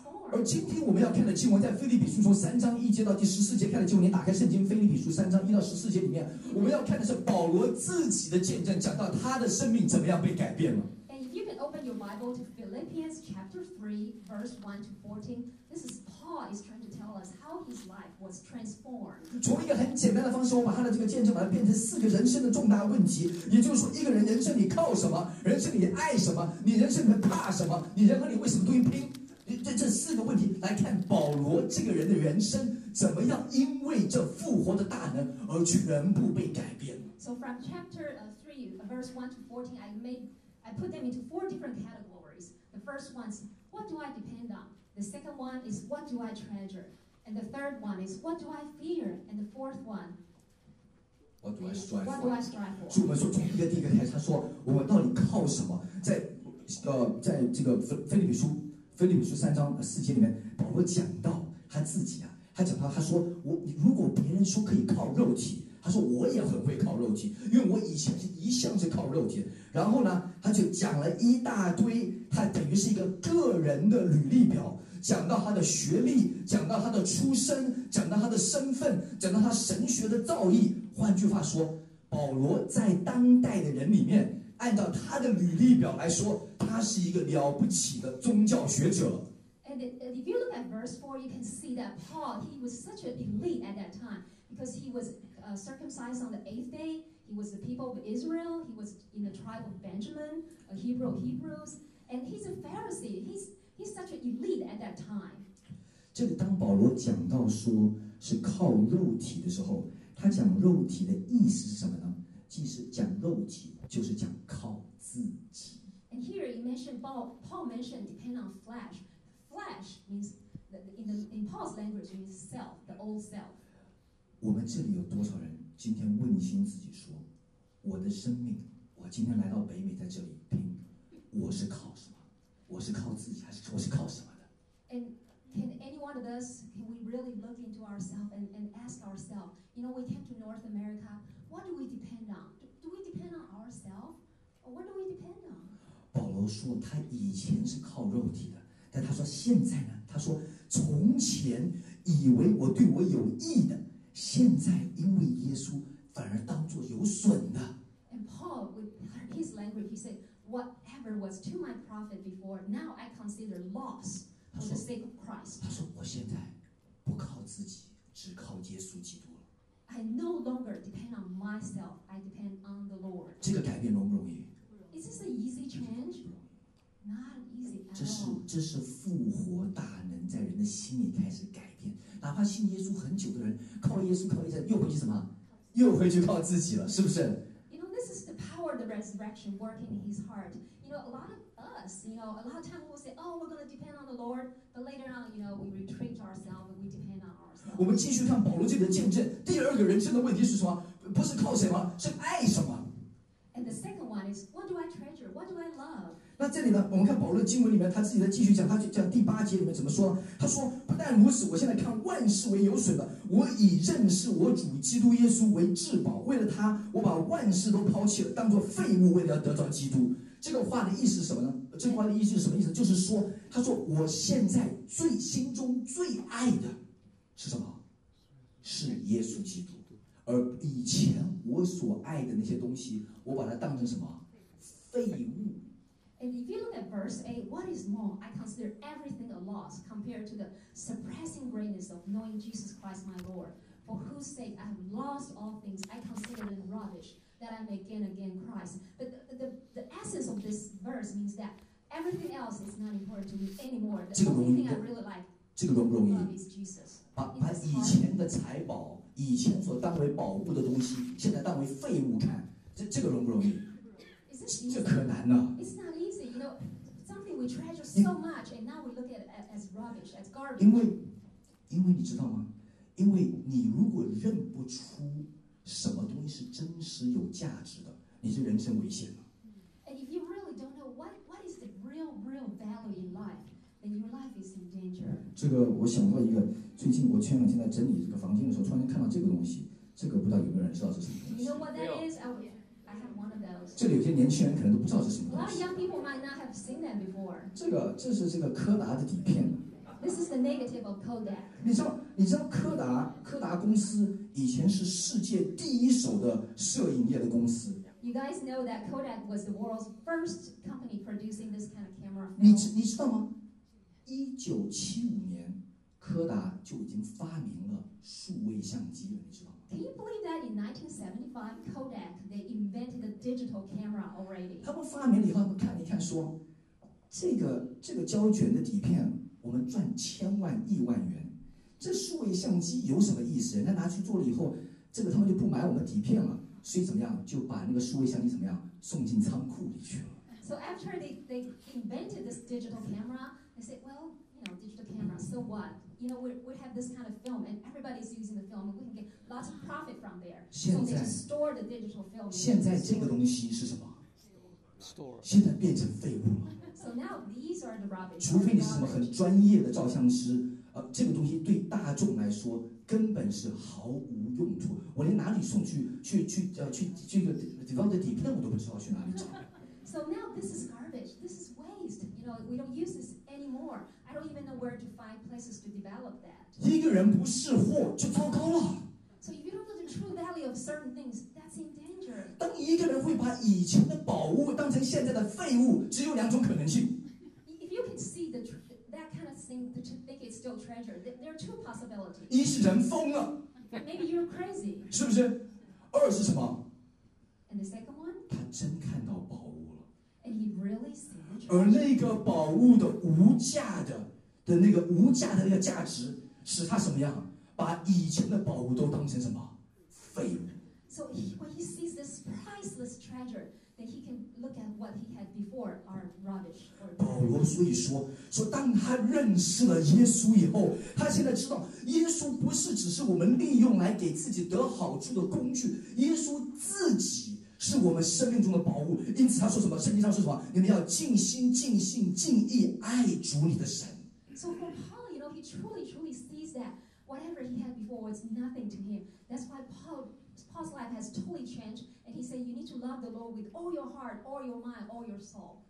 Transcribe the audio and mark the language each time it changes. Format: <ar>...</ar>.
<zh>而今天我们要看的经文在腓立比书从三章一节到第十四节看的经文，你打开圣经腓立比书三章一到十四节里面，我们要看的是保罗自己的见证，讲到他的生命怎么样被改变了。</zh> <en>And if you can open your Bible to Philippians chapter 3 verse 1 to 14, this is Paul is trying to tell us how his life was transformed.</en> <zh>从一个很简单的方式，我把他的这个见证把它变成四个人生的重大问题，也就是说一个人人生里靠什么，人生里爱什么，你人生里怕什么，你人和你为什么都拼，这四个问题来看保罗这个人的人生怎么样因为这复活的大能而全部被改变。</zh> <en>So from chapter 3 verse 1 to 14 I put them into four different categories. The first one is what do I depend on? The second one is what do I treasure? And the third one is what do I fear? And the fourth one what do I strive for? What do I strive for?</en> <zh>所以我们说从一个第一个开始，他说我们到底靠什么。在这个腓立比书腓立比书三章四节里面，保罗讲到他自己啊，他讲到他说我如果别人说可以靠肉体，他说我也很会靠肉体，因为我以前是一向是靠肉体。然后呢，他就讲了一大堆，他等于是一个个人的履历表，讲到他的学历，讲到他的出身，讲到他的身份，讲到他神学的造诣。换句话说，保罗在当代的人里面，按照他的履历表来说，他是一个了不起的宗教学者。</zh> <en>And if you look at verse 4, you can see that Paul, he was such an elite at that time, because he was circumcised on the eighth day, he was the people of Israel, he was in the tribe of Benjamin, a Hebrew of Hebrews, and he's a Pharisee, he's such an elite at that time.</en> <zh>这个当保罗讲到说是靠肉体的时候，他讲肉体的意思是什么呢？其实讲肉体就是讲靠自己。</zh> <en>And here you mentioned Paul mentioned depend on flesh. Flesh means in Paul's language means self, the old self.</en> <zh>我们这里有多少人今天问心自己说，我的生命，我今天来到北美在这里拼，我是靠什么？我是靠自己还是我是靠什么的？</zh> <en>And can any one of us, can we really look into ourselves and ask ourselves? You know, we came to North America. What do we depend on? Do we depend on ourselves? Or what do we depend on?</en> <zh>保罗说他以前是靠肉体的，但他说现在呢，他说从前以为我对我有益的，现在因为耶稣反而当作有损的。</zh> <en>And Paul with his language he said whatever was to my profit before now I consider loss for the sake of Christ.</en> <zh>他说我现在不靠自己，只靠耶稣基督了。</zh> <en>I no longer depend on myself, I depend on the Lord.</en> <zh>这个改变容不容易？</zh> <en>Is this an easy change? Not easy at all.</en> <zh>这是复活大能在人的心里开始改变。哪怕信耶稣很久的人，靠了耶稣靠一阵，又回去什么？又回去靠自己了，是不是？</zh> <en>You know, this is the power of the resurrection working in his heart. You know, a lot of us, you know, a lot of times we'll say, "Oh, we're going to depend on the Lord," but later on, you know, we retreat to ourselves and we depend on ourselves.</en> <zh>我们继续看保罗这个见证。第二个人生的问题是什么？不是靠什么，是爱什么？</zh> <en>And the second one is, what do I treasure? What do I love?</en> <zh>那这里呢，我们看保罗的经文里面，他自己在继续讲，他就讲第八节里面怎么说？他说，不但如此，我现在看万事为有损的，我以认识我主基督耶稣为至宝，为了他，我把万事都抛弃了，当作废物，为了要得着基督。这个话的意思是什么呢？这个话的意思是什么意思？就是说，他说，我现在最心中最爱的是什么？是耶稣基督。而以前我所爱的那些东西，我把它当成什么？废物。</zh> <en>And if you look at verse 8, what is more, I consider everything a loss compared to the surpassing greatness of knowing Jesus Christ my Lord, for whose sake I have lost all things. I consider them rubbish that I may gain again Christ. But the essence of this verse means that Everything else is not important to me anymore. The only thing I really like.</en> <zh>这个容不容易？</zh> <en>Is Jesus.</en> <zh>把以前的财宝，以前所当为宝物的东西，现在当为废物看，这个容不容易？</zh> <en>Is this easy?</en> <zh>这可难了。</zh> <en>It's not easy. You know, something we treasure so much, and now we look at it as rubbish, as garbage.</en> <zh>因为你知道吗？因为你如果认不出什么东西是真实有价值的，你这人生危险了。</zh> <en>And if you really don't know what is the real value in life, then your life is in danger.</en> <zh>这个我想到一个，最近我前两天在整理这个房间的时候，突然间看到这个东西，这个不知道有没有人知道是什么东西。</zh> <en>You know what that is? I have one of those.</en> <zh>这里有些年轻人可能都不知道是什么东西。</zh> <en>A lot of young people might not have seen that before.</en> <zh>这是柯达的底片。</zh> <en>This is the negative of Kodak.</en> <zh>你知道柯达公司以前是世界第一手的摄影业的公司。</zh> <en>You guys know that Kodak was the world's first company producing this kind of camera.</en> <zh>你知道吗？ 1975年，柯达就已经发明了数位相机了，你知道吗</zh> <en>？Can you believe that in 1975, Kodak they invented the digital camera already?</en> <zh>他们发明了以后，他们看了一看，说这个胶卷的底片。我们赚千万亿万元，这数位相机有什么意思？人家拿去做了以后，这个他们就不买我们底片了，所以怎么样，就把那个数位相机怎么样送进仓库里去了。</zh> <en>So after they invented this digital camera, they said, well, you know, digital camera, so what? You know, we have this kind of film, and everybody's using the film, and we can get lots of profit from there. So they just store the digital film.</en> <zh>现在这个东西是什么</zh> <en>？Store.</en> <zh>现在变成废物了。</zh> <en>So now these are the rubbish.</en> <zh>除非你是什么很专业的照相师，这个东西对大众来说根本是毫无用处。我连哪里送去这个 develop 底片我都不知道去哪里找。</zh> <en>So now this is garbage. This is waste. You know, we don't use this anymore. I don't even know where to find places to develop that.</en> <zh>一个人不识货就糟糕了。</zh> <en>So if you don't know the true value of certain things, that's in danger.</en> <zh>当一个人会把以前的宝物当成现在的废物，只有两种可能性。</zh> <en>If you can see that kind of thing, that you think it's still treasure, there are two possibilities.</en> <zh>一是人疯了。</zh> <en>Maybe you're crazy.</en> <zh>是不是？二是什么</zh> <en>？And the second one?</en> <zh>他真看到宝物了。</zh> <en>And he really sees it.</en> <zh>而那个宝物的无价的那个无价的那个价值，使他什么样？把以前的宝物都当成什么废物</zh> <en>？So when he sees this priceless treasure, then he can look at what he had before are rubbish.</en> <zh>保罗所以说当他认识了耶稣以后，他现在知道耶稣不是只是我们利用来给自己得好处的工具，耶稣自己是我们生命中的宝物。因此他说什么？圣经上说什么？你们要尽心、尽性、尽意爱主你的神。</zh> <en>So for Paul, you know, he truly sees that. Whatever he had before was nothing to him. That's why Paul's life has totally changed. And he said, "You need to love the Lord with all your heart, all your mind, all your soul."</en>